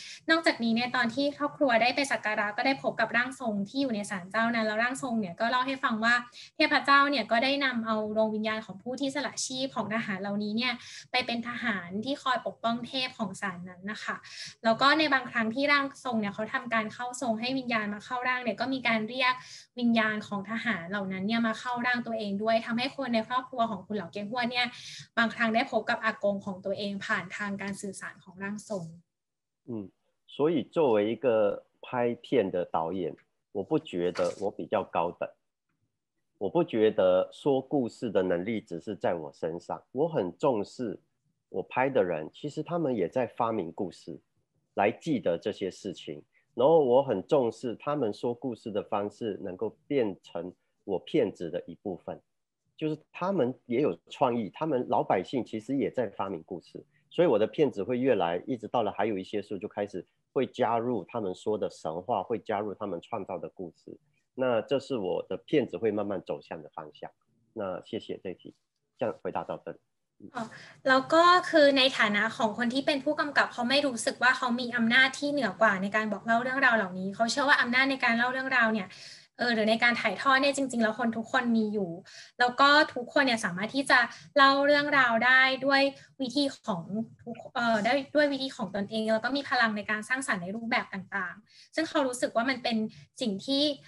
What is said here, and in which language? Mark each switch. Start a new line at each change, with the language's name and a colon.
Thai: นอกจากนี้เนี่ยตอนที่ครอบครัวได้ไปสักการะก็ได้พบกับร่างทรงที่อยู่ในศาลเจ้านั้นแล้วร่างทรงเนี่ยก็เล่าให้ฟังว่าเทพเจ้าเนี่ยก็ได้นำเอาดวงวิญญาณของผู้ที่สละชีพของทหารเหล่านี้เนี่ยไปเป็นทหารที่คอยปกป้องเทพของศาลนั้นนะคะแล้วก็ในบางครั้งที่ร่างทรงเนี่ยเขาทำการเข้าทรงให้วิญญาณมาเข้าร่างเนี่ยก็มีการเรียกวิญญาณของทหารเหล่านั้นเนี่ยมาเข้าร่างตัวเองด้วยทำให้คนในครอบครัวของคุณเหล่าเกฮั่วเนี่ยบางครั้งได้พบกับอากงของตัวเองผ่านทางการสื่อสารของร่างทรง
Chinese: อืม所以作为一个拍片的导演我不觉得我比较高等我不觉得说故事的能力只是在我身上我很重视我拍的人其实他们也在发明故事来记得这些事情然后我很重视他们说故事的方式能够变成我片子的一部分就是他们也有创意他们老百姓其实也在发明故事所以我的片子会越来一直到了还有一些书就开始会加入他们说的神话会加入他们创造的故事那这是我的片子会慢慢走向的方向那谢谢这题这样回答到这里
Thai: แล้วก็คือในฐานะของคนที่เป็นผู้กำกับเขาไม่รู้สึกว่าเขามีอำนาจที่เหนือกว่าในการบอกเล่าเรื่องราวเหล่านี้เขาเชื่อว่าอำนาจในการเล่าเรื่องราวเนี่ยหรือในการถ่ายทอดเนี่ยจริงๆแล้วคนทุกคนมีอยู่แล้วก็ทุกคนเนี่ยสามารถที่จะเล่าเรื่องราวได้ด้วยวิธีของด้วยวิธีของตนเองแล้วก็มีพลังในการสร้างสรรค์ในรูปแบบต่างๆซึ่งเขารู้สึกว่ามันเป็นสิ่งที่